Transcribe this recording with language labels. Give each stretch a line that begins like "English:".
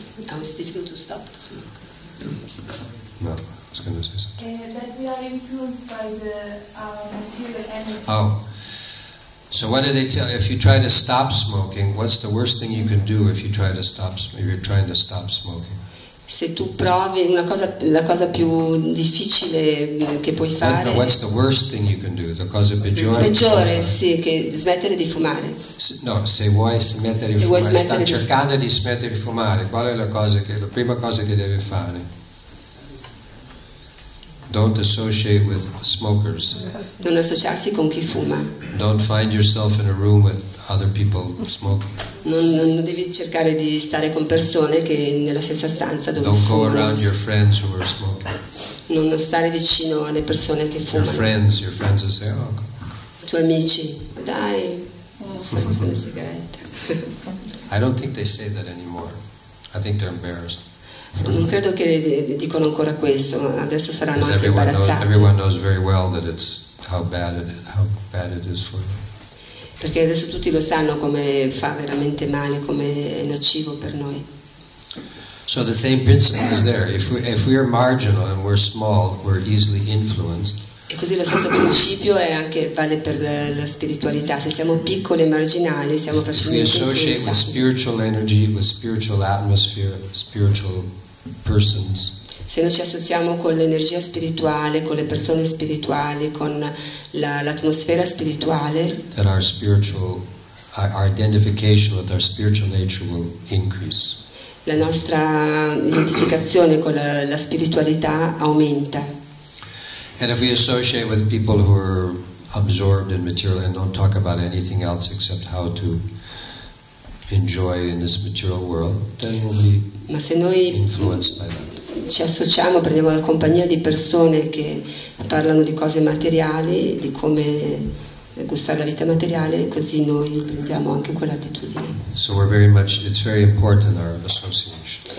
English: How is it difficult to stop to smoke? No, I was going to say something. That we are influenced by the material energy. Oh. So what do they tell you? If you try to stop smoking, what's the worst thing you can do if you try to stop if you're trying to stop smoking?
Italian: Se tu provi la cosa più difficile che puoi fare.
English: No, what's the worst thing you can do? The
Italian: cosa peggiore. Peggiore, sì, che smettere di fumare. No, se vuoi smettere di fumare, sta cercando di smettere di fumare. Qual è la prima cosa che deve fare?
English: Don't associate with smokers.
Italian: Non associarsi con chi fuma.
English: Don't find yourself in a room with other people smoking.
Italian: Non devi cercare di stare con persone che nella stessa stanza dove
English: don't
Italian: fumano.
English: Go around your friends who are smoking.
Italian: Non stare vicino alle persone che fumano.
English: Your friends will say, oh.
Italian: Tuoi amici, dai, una sigaretta.
English: I don't think they say that anymore. I think they're embarrassed.
Italian: Non credo che dicono ancora questo, ma adesso saranno anche imbarazzati.
English: Everyone knows very well that it's how bad it is for them.
Italian: Perché adesso tutti lo sanno come fa veramente male, come è nocivo per noi.
English: So the same principle is there. If we are marginal and we're small, we're easily influenced.
Italian: E così lo stesso principio è anche vale per la spiritualità. Se siamo piccoli e marginali, siamo facilmente influenzati.
English: If we associate with spiritual energy, with spiritual atmosphere, spiritual persons.
Italian: Se noi ci associamo con l'energia spirituale, con le persone spirituali, con l'atmosfera spirituale,
English: that our spiritual, our identification with our spiritual nature will increase.
Italian: La nostra identificazione con la spiritualità aumenta.
English: And if we associate with people who are absorbed in material and don't talk about anything else except how to enjoy in this material world, then we'll be influenced by that.
Italian: Ci associamo, prendiamo la compagnia di persone che parlano di cose materiali, di come gustare la vita materiale, così noi prendiamo anche quell'attitudine.
English: So we're very much, it's very important, our association.